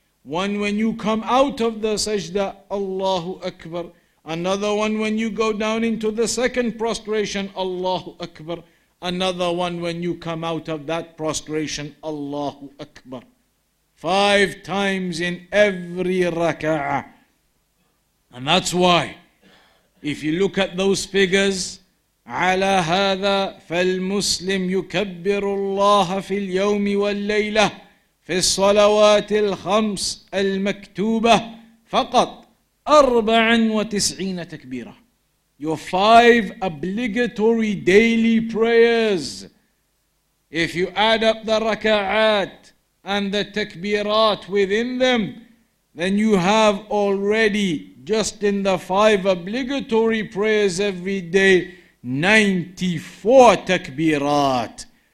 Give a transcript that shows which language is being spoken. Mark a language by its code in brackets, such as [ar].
[en] One when you come out of the sajda, Allahu Akbar. Another one when you go down into the second prostration, Allahu Akbar. Another one when you come out of that prostration, Allahu Akbar. 5 times in every raka'ah. And that's why, if you look at those figures, [ar] عَلَى هَذَا فَالْمُسْلِمْ يُكَبِّرُ اللَّهَ فِي الْيَوْمِ وَالْلَّيْلَةِ فِي الصَّلَوَاتِ الْخَمْسِ الْمَكْتُوبَةِ فَقَطْ 94 تَكْبِيرًا. [en] Your 5 obligatory daily prayers, if you add up the raka'at and the takbirat within them, then you have already just in the 5 obligatory prayers every day, 94 takbirat.